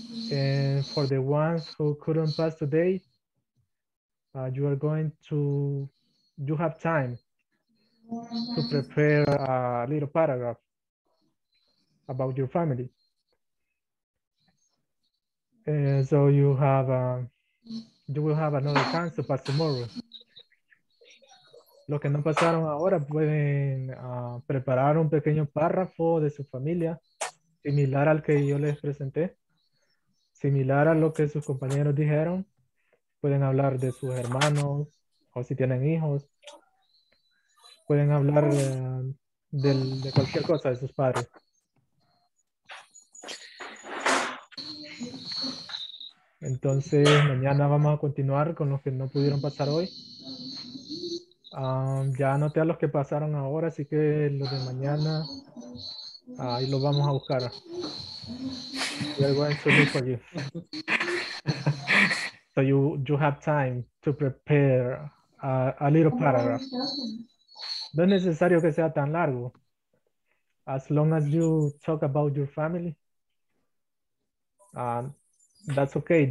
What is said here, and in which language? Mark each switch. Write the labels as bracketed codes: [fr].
[en] And for the ones who couldn't pass today, you are going to, you have time to prepare a little paragraph about your family. And so you have, you will have another chance to pass tomorrow. [es] Los que no pasaron ahora pueden preparar un pequeño párrafo de su familia, similar al que yo les presenté, similar a lo que sus compañeros dijeron. Pueden hablar de sus hermanos o si tienen hijos. Pueden hablar de cualquier cosa, de sus padres. Entonces, mañana vamos a continuar con los que no pudieron pasar hoy. Ya anoté a los que pasaron ahora, así que los de mañana, ahí los vamos a buscar. [en] We are going to look for you. So you have time to prepare a little paragraph. [es] No es necesario que sea tan largo. [en] As long as you talk about your family, that's okay.